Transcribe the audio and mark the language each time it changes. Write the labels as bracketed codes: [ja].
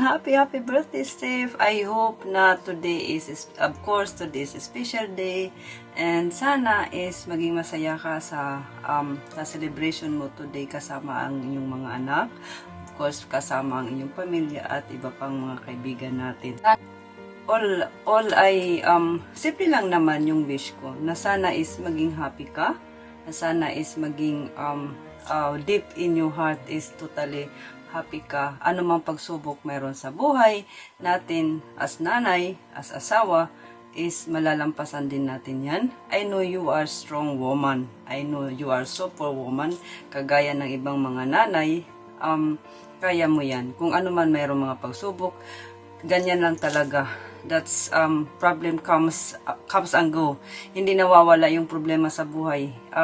[en] Happy, happy birthday Steph! I hope na today is a special day. [tl] And sana is maging masaya ka sa celebration mo today kasama ang inyong mga anak. Of course, kasama ang inyong pamilya at iba pang mga kaibigan natin. All ay simple lang naman yung wish ko. Na sana is maging happy ka. Na sana [en] is [tl] maging [en] deep in your heart is totally happy ka. [tl] Ano mang pagsubok meron sa buhay natin as nanay, as asawa, is malalampasan din natin yan. [en] I know you are strong woman. I know you are super woman. [tl] Kagaya ng ibang mga nanay, kaya mo yan. Kung ano man mayroong mga pagsubok, ganyan lang talaga. [en] That's problem comes and go. [tl] Hindi nawawala yung problema sa buhay.